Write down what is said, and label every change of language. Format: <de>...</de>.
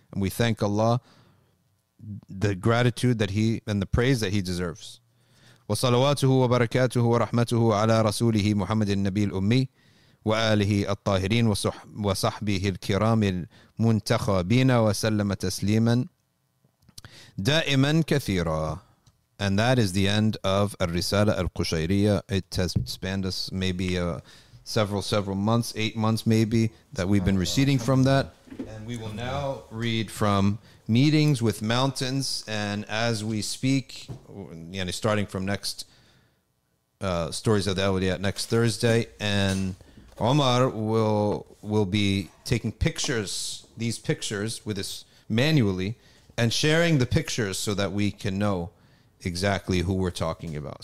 <en>And we thank Allah the gratitude that he and the praise that he deserves.</en> <ar>وصلواته وبركاته ورحمته على رسوله محمد النبي الأمي وآله الطاهرين وصحبه الكرام المنتخبين وسلم تسليما دائما كثيرا.</ar> <en>And that is the end of الرسالة القشيرية. It has spanned us maybe several months, 8 months maybe, that we've been receding from that. And we will now read from Meetings with Mountains. And as we speak, starting from next Stories of the Awliya next Thursday, and Omar will be taking pictures, these pictures, with us manually, and sharing the pictures so that we can know exactly who we're talking about.</en>